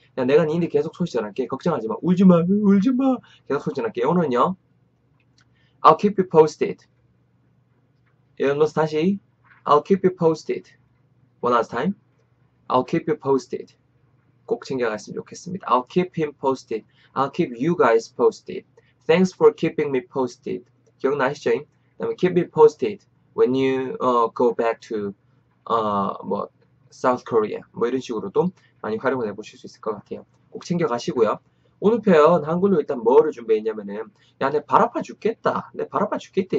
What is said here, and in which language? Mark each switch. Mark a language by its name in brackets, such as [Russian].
[Korean] 야, 내가 니네 계속 소식 전할게. 걱정하지 마. 울지 마. 울지 마. 계속 소식 전할게. 오늘은요. [English] I'll keep you posted. [Korean] 이런 것 다시. [English] I'll keep you posted. One last time. I'll keep you posted. [Korean] 꼭 챙겨갔으면 좋겠습니다. [English] I'll keep him posted. I'll keep you guys posted. Thanks for keeping me posted. [Korean] 기억나시죠? 그다음에 [English] keep me posted when you go back to [Korean] 뭐 South Korea 뭐 이런 식으로도 많이 활용을 해보실 수 있을 것 같아요. 꼭 챙겨가시고요. 오늘 표현 한글로 일단 뭐를 준비했냐면은 야, 내발 아파 죽겠다. 내발 아파 죽겠대.